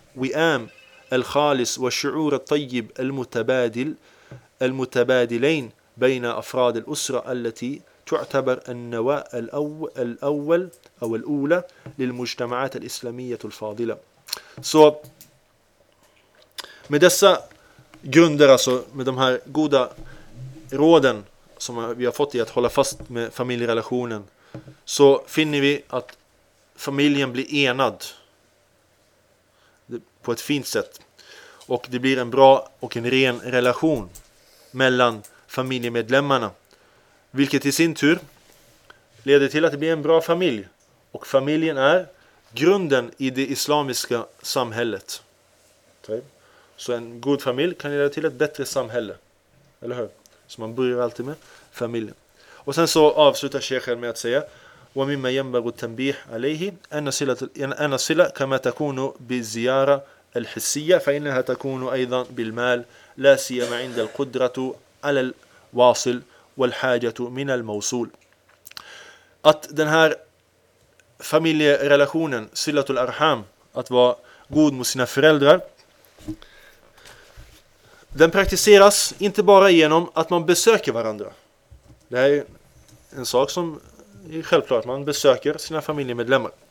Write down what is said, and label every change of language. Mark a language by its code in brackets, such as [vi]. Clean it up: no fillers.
[ar] وئام الخالص والشعور الطيب المتبادل المتبادلين بين أفراد الأسرة التي تعتبر النواة الأول أو الأولى للمجتمعات الإسلامية الفاضلة. [sv] So, med dessa grunder, alltså med de här goda råden som vi har fått i att hålla fast med familjerelationen, så finner vi att familjen blir enad på ett fint sätt. Och det blir en bra och en ren relation mellan familjemedlemmarna, vilket i sin tur leder till att det blir en bra familj. Och familjen är grunden i det islamiska samhället. Så en god familj kan leda till ett bättre samhälle. Eller hur? Så man börjar alltid med familjen. Och sen så avslutar Sheikhen med att säga: [ar] وَمِمَّا يَنْبَغُ التَّنْبِيحُ عَلَيْهِ أَنَّ الصِّلَةَ كَمَا تَكُونُ بِالزِّيَارَةِ الْحِسِّيَّةِ فَإِنَّهَا تَكُونُ أَيْضًا بِالْمَالِ لَا سِيَّمَا عِنْدَ الْقُدْرَةُ عَلَى الْوَاصِلِ وَالْحَاجَةُ مِنَ الْمَوْصُولِ. [sv] Att den här familjerelationen, silatul arham, att vara god mot sina föräldrar, den praktiseras inte bara genom att man besöker varandra. Det är en sak som är självklart, att man besöker sina familjemedlemmar.